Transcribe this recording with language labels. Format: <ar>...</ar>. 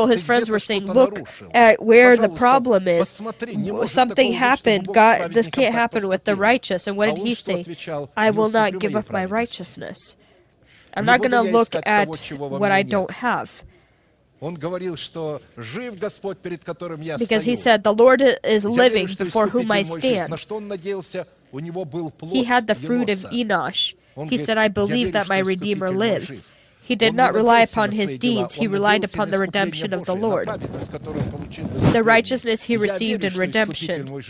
<en>People, his friends were saying, look at where the problem is. Something happened. God, this can't happen with the righteous. And what did he say? I will not give up my righteousness. I'm not going to look at what I don't have.</en> <ru>Он говорил, что жив Господь, перед которым я стою.</ru> <en>Because he said, the Lord is living before whom I stand.</en> <ru>На что он надеялся? У него был плод Еноса.</ru> <en>He had the fruit of Enosh. He said, I believe that my Redeemer lives. He did not rely upon his deeds, he relied upon the redemption of the Lord. The righteousness he received in redemption.</en>